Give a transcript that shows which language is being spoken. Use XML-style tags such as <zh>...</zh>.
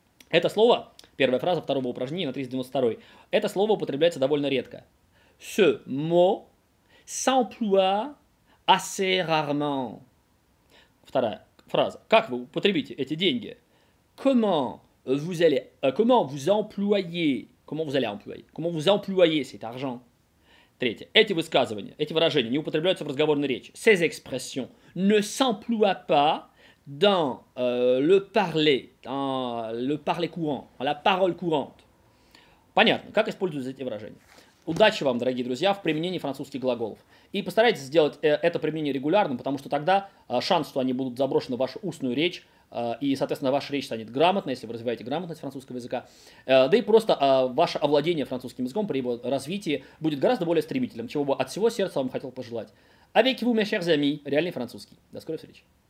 <ru>Это слово, первая фраза второго упражнения на 392-й, это слово употребляется довольно редко.</ru> <fr>Ce mot s'emploie assez rarement.</fr> <ru>Вторая фраза. Как вы употребите эти деньги?</ru> <fr>Comment? Vous allez, comment vous allez employer cet argent?</fr> <ru>Третье. Эти высказывания, эти выражения не употребляются в разговорной речи.</ru> <fr>Ces expressions ne s'emploient pas dans le parler courant, la parole courante.</fr> <ru>Понятно, как используются эти выражения. Удачи вам, дорогие друзья, в применении французских глаголов. И постарайтесь сделать это применение регулярным, потому что тогда шанс, что они будут заброшены в вашу устную речь, и, соответственно, ваша речь станет грамотной, если вы развиваете грамотность французского языка. Да и просто ваше овладение французским языком при его развитии будет гораздо более стремительным, чего бы от всего сердца вам хотел пожелать.</ru> <fr>Avec vous, mes chers amis,</fr> <ru>реальный французский. До скорой встречи.</ru>